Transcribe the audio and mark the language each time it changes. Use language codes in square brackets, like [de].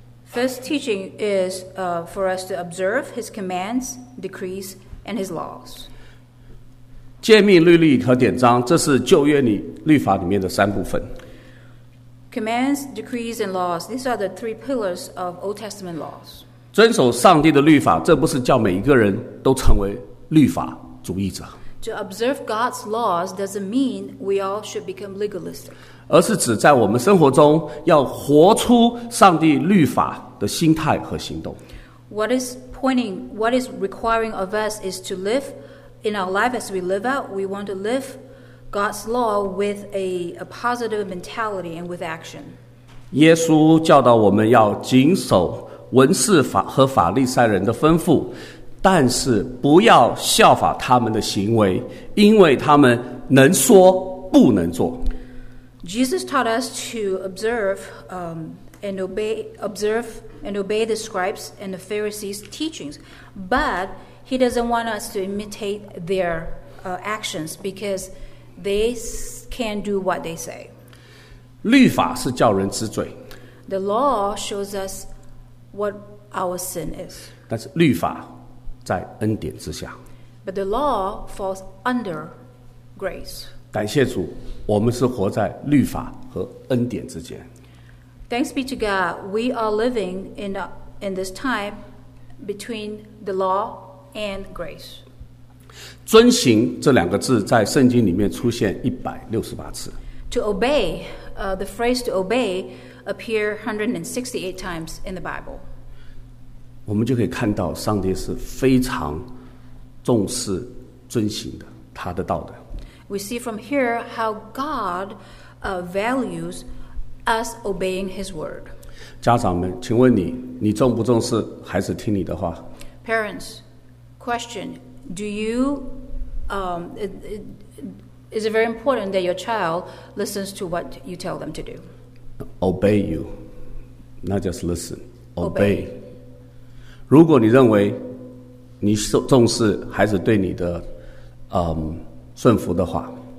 [en] First teaching is for us to observe His commands, decrees, and His laws. [zh] 诫命、律例和典章，这是旧约里律法里面的三部分。 [en] Commands, decrees, and laws. These are the three pillars of Old Testament laws. [zh] 遵守上帝的律法，这不是叫每一个人都成为律法主义者。 [en] To observe God's laws doesn't mean we all should become legalistic. [zh] 而是指在我们生活中要活出上帝律法的心态和行动。 [en] What is requiring of us is to live in our life as we live out. We want to live God's law with a positive mentality and with action. [zh] 耶稣教导我们要谨守文士法和法利赛人的吩咐。但是不要效法他们的行为，因为他们能说不能做。 [en] Jesus taught us to observe and obey the scribes and the Pharisees' teachings, but he doesn't want us to imitate their actions because they can do what they say. [zh] 律法是叫人知罪。 [en] The law shows us what our sin is. [zh] 但是律法。在恩典之下 [en] But the law falls under grace. [zh] 感谢主，我们是活在律法和恩典之间。 [en] Thanks be to God, we are living in this time between the law and grace. [zh] 遵行这两个字在圣经里面出现168次。 [en] To obey, the phrase to obey appear 168 times in the Bible. [zh] 我们就可以看到上帝是非常重视遵行的他的道的。 [en] We see from here how God values us obeying his word. [zh] 家长们，请问你重不重视孩子听你的话？ [en] Parents, question. Do you, is it very important that your child listens to what you tell them to do? Obey you, not just listen, obey. [zh] 如果你认为你重视孩子对你的顺服的话，